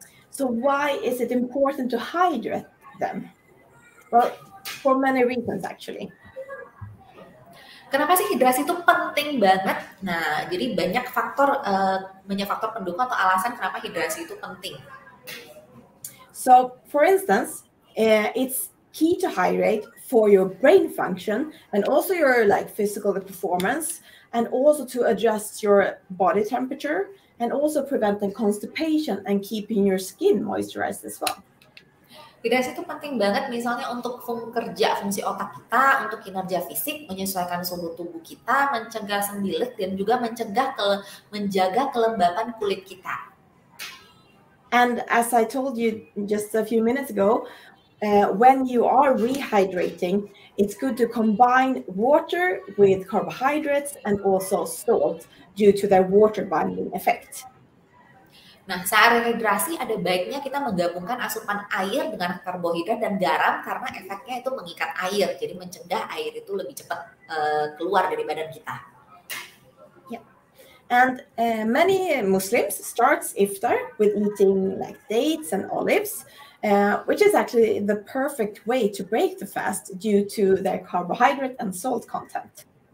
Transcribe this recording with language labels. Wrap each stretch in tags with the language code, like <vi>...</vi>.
<en>So why is it important to hydrate them? Well, for many reasons actually.</en> <id>Kenapa sih hidrasi itu penting banget? Nah, jadi banyak faktor pendukung atau alasan kenapa hidrasi itu penting.</id> <en>So, for instance, it's key to hydrate for your brain function and also your like physical performance, and also to adjust your body temperature and also preventing constipation and keeping your skin moisturized as well.</en> <id>Hidrasi itu penting banget misalnya untuk fungsi otak kita, untuk kinerja fisik, menyesuaikan suhu tubuh kita, mencegah sembilit, dan juga menjaga kelembapan kulit kita.</id> <en>And as I told you just a few minutes ago, when you are rehydrating, it's good to combine water with carbohydrates and also salt due to their water binding effect.</en> <id>Nah, saat rehidrasi ada baiknya kita menggabungkan asupan air dengan karbohidrat dan garam karena efeknya itu mengikat air, jadi mencegah air itu lebih cepat keluar dari badan kita. Yeah.</id> <en>And many Muslims starts iftar with eating like dates and olives, which is actually the perfect way to break the fast due to their carbohydrate and salt content.</en>